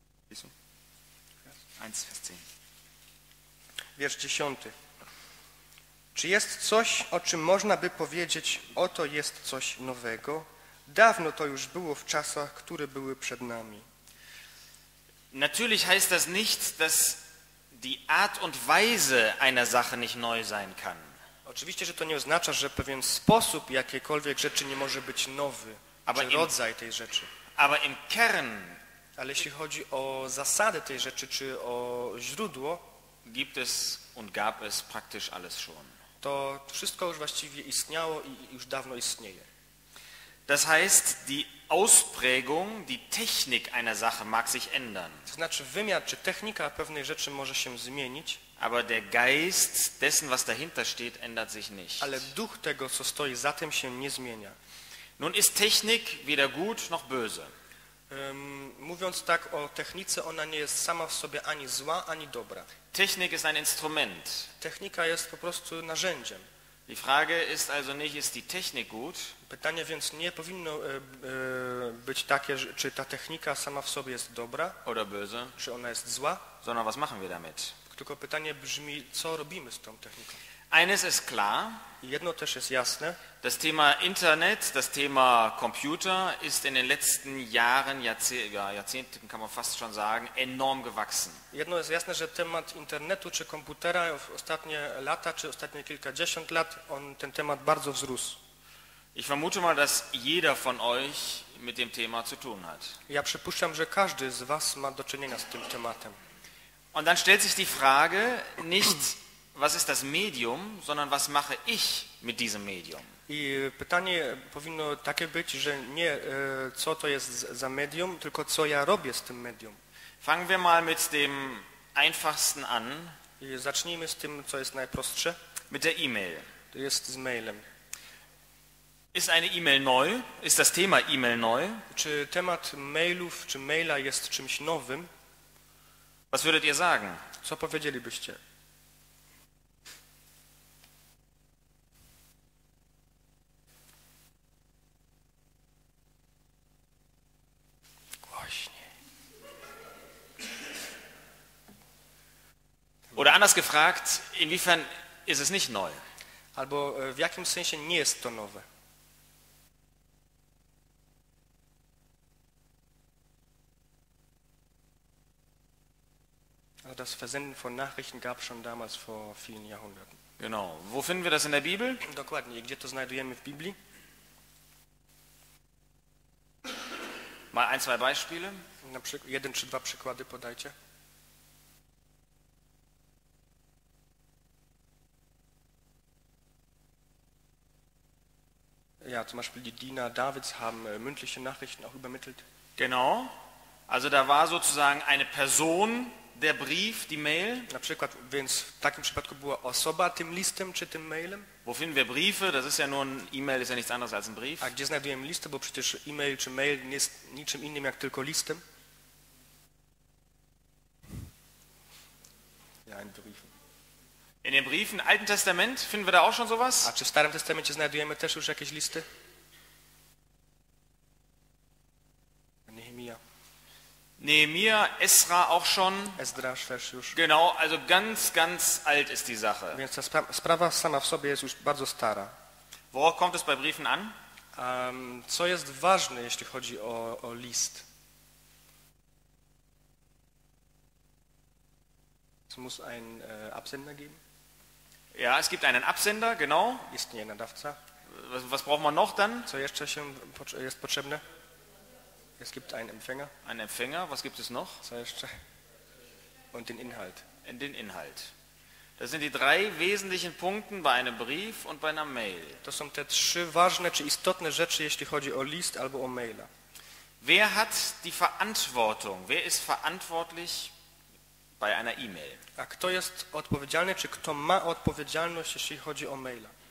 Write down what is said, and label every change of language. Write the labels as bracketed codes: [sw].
[de] 1, Vers 10. [pl] Wiersz 10. Czy jest coś, o czym można by powiedzieć, oto jest coś nowego? Dawno to już było w czasach, które były przed nami. [de] Natürlich heißt das nicht, dass die Art und Weise einer Sache nicht neu sein kann. [pl] Oczywiście, że to nie oznacza, że pewien sposób jakiejkolwiek rzeczy nie może być nowy, [de] aber [pl] czy rodzaj tej rzeczy. [de] Aber im Kern. [pl] Ale jeśli chodzi o zasady tej rzeczy, czy o źródło, [de] gibt es und gab es praktisch alles schon. [pl] To wszystko już właściwie istniało i już dawno istnieje. [de] Das heißt, die Ausprägung, die Technik einer Sache mag sich ändern. [pl] To znaczy wymiar czy technika pewnej rzeczy może się zmienić, [de] aber der Geist dessen, was dahinter steht, ändert sich nicht. [pl] Ale duch tego, co stoi za tym, się nie zmienia. [de] Nun ist Technik weder gut noch böse. [pl] Mówiąc tak o technice, ona nie jest sama w sobie ani zła, ani dobra. [de] Technik ist ein Instrument. [pl] Technika jest po prostu narzędziem. [de] Die Frage ist also nicht, ist die Technik gut? [pl] Pytanie więc nie powinno być takie, czy ta technika sama w sobie jest dobra? [de] Oder böse? [pl] Czy ona jest zła? [de] Sondern was machen wir damit? [pl] Tylko pytanie brzmi, co robimy z tą techniką? [de] Eines ist klar. [pl] Jedno też jest jasne. [de] Das Thema Internet, das Thema Computer ist in den letzten Jahren, Jahrzehnten kann man fast schon sagen, enorm gewachsen. [pl] Jedno jest jasne, że temat internetu czy komputera w ostatnie lata czy ostatnie kilkadziesiąt lat, on ten temat bardzo wzrósł. [de] Ich vermute mal, dass jeder von euch mit dem Thema zu tun hat. [pl] Ja przypuszczam, że każdy z was ma do czynienia z tym tematem. [de] Und dann stellt sich die Frage, nicht was ist das Medium, sondern was mache ich mit diesem Medium? [pl] I pytanie powinno takie być, że nie co to jest za medium, tylko co ja robię z tym medium. [de] Fangen wir mal mit dem einfachsten an. [pl] I zacznijmy z tym, co jest najprostsze. [de] Mit der E-Mail. [pl] To jest z mailem. [de] Ist eine E-Mail neu? Ist das Thema E-Mail neu? [pl] Czy temat mailów czy maila jest czymś nowym? [de] Was würdet ihr sagen? [pl] Co powiedzielibyście? Głośniej. [de] Oder anders gefragt, inwiefern ist es nicht neu? [pl] Albo w jakim sensie nie jest to nowe? [de] Das Versenden von Nachrichten gab es schon damals vor vielen Jahrhunderten. Genau. Wo finden wir das in der Bibel? [pl] Dokładnie. Gdzie to znajdujemy w Biblii? [de] Mal ein, zwei Beispiele. [pl] Na przykład, jeden czy dwa przykłady podajcie. [de] Ja, zum Beispiel die Diener Davids haben mündliche Nachrichten auch übermittelt. Genau. Also da war sozusagen eine Person... Der Brief, die Mail. [pl] Na przykład, więc w takim przypadku była osoba tym listem czy tym mailem? [de] Wo finden wir Briefe? Das ist ja nur ein E-Mail, ist ja nichts anderes als ein Brief. [pl] A gdzie znajdujemy listę? Bo przecież e-mail czy mail nie jest niczym innym jak tylko listem. [de] Ja, in Briefen. In den Briefen, Alten Testament, finden wir da auch schon sowas? [pl] A czy w Starym Testamencie znajdujemy też już jakieś listy? [de] Nehemia, Esra auch schon. [pl] Esdra, też już. [de] Genau, also ganz, ganz alt ist die Sache. [pl] Więc ta sprawa sama w sobie jest już bardzo stara. [de] Worauf kommt es bei Briefen an? [pl] Co jest ważne, jeśli chodzi o list? [de] Es muss einen Absender geben. Ja, es gibt einen Absender, genau. [pl] Ist nie nadawca. [de] Was braucht man noch dann? [pl] Co jeszcze się jest potrzebne? [de] Es gibt einen Empfänger. Einen Empfänger, was gibt es noch? Und den Inhalt. Den Inhalt. Das sind die drei wesentlichen Punkte bei einem Brief und bei einer Mail. [pl] To są te trzy ważne czy istotne rzeczy, jeśli chodzi o list albo o maila. [de] Wer hat die Verantwortung? Wer ist verantwortlich bei einer E-Mail? [pl] A kto jest odpowiedzialny, czy kto ma odpowiedzialność, jeśli chodzi o maila?